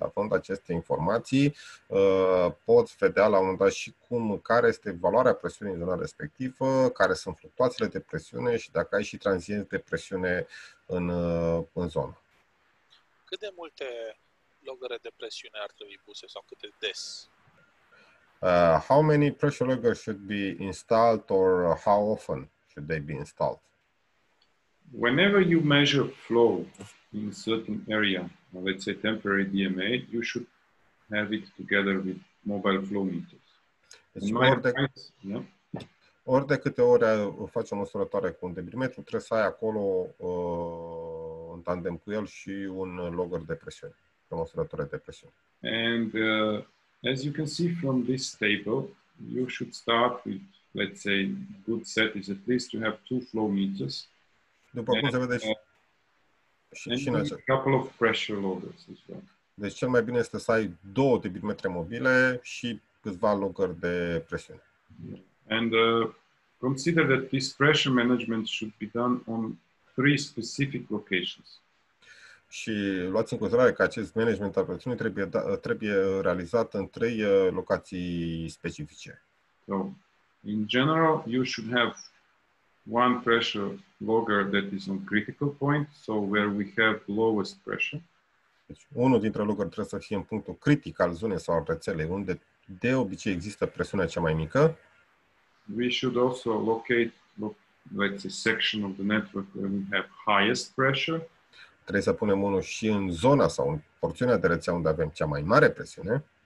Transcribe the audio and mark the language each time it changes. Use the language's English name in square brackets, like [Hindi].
[Romanian] Având aceste informații, poți vedea la un moment dat și cum, care este valoarea presiunii în zona respectivă, care sunt fluctuațiile de presiune și dacă ai și tranzienți de presiune în zonă. Cât de multe logere de presiune ar trebui puse sau cât de des? [English] How many pressure loggers should be installed, or how often should they be installed? Whenever you measure flow in a certain area, let's say temporary DMA, you should have it together with mobile flow meters. [Romanian] Ori de câte ori faci o măsurătoare cu un debitmetru, trebuie să ai acolo în tandem cu el și un logger de presiune, o măsurătoare de presiune. [English] As you can see from this table, you should start with, let's say, good set is at least to have two flow meters. [Romanian] După cum se vede și [English] a couple of pressure loggers as well. [Romanian] Deci cel mai bine este să ai două debitmetre mobile și câțiva loggeri de presiune. [English] And consider that this pressure management should be done on three specific locations. [Romanian] Și luați în considerare că acest management al presiunii trebuie realizat în trei locații specifice. [English] So, in general, you should have one pressure logger that is on critical point, so where we have lowest pressure. [Romanian] Deci, unul dintre loggeri trebuie să fie în punctul critic al zonei sau al rețelei, unde de obicei există presiunea cea mai mică. [English] We should also locate, let's say, section of the network where we have highest pressure. [Romanian] Trebuie să punem unul și în zona sau în porțiunea de rețea unde avem cea mai mare presiune.